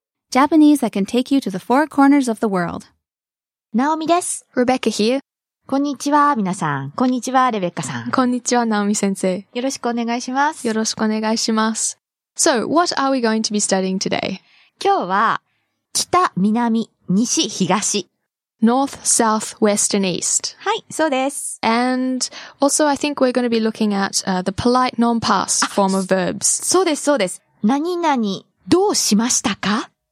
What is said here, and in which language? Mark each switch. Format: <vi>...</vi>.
<en>Japanese that can take you to the four corners of the world.</en> <ja>Naomi です。</ja> <en>Rebecca here.</en> <ja>こんにちは、皆さん。こんにちは、レベッカさん。こんにちは、ナオミ先生。よろしくお願いします。よろしくお願いします。</ja> <en>So, what are we going to be studying today?</en> <ja>今日は、北、南、西、東。</ja> <en>North, South, West, and East.</en> <ja>はい、そうです。</ja> <en>And also, I think we're going to be looking at, the polite non-past form of verbs.</en> <ja>そうです、そうです。何々、どうしましたか?</ja>